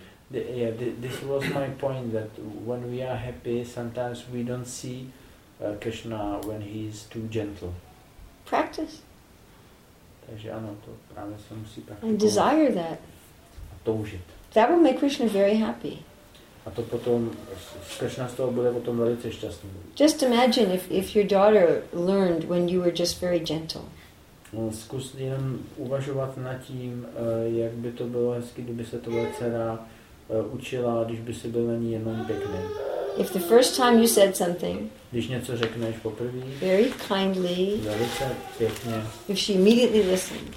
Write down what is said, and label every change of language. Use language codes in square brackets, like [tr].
[en] This was my point, that when we are happy, sometimes we don't see Krishna when he is too gentle. Practice. [cs] Takže ano, to právě se musí praktikovat. [en] And desire that. [cs] A toužit. [en] That will make Krishna very happy. [cs] A to potom, Krishna z toho bude potom velice šťastný. [en] Just imagine if your daughter learned when you were just very gentle. [cs] Zkus jen uvažovat nad tím, jak by to bylo hezky, kdyby se tvoje dcera učila, když by si byl na ní jenom pěkný. [en] If the first time you said something, [cs] když něco řekneš poprvé, [en] very kindly, [cs] velice pěkně, [en] if she immediately listened,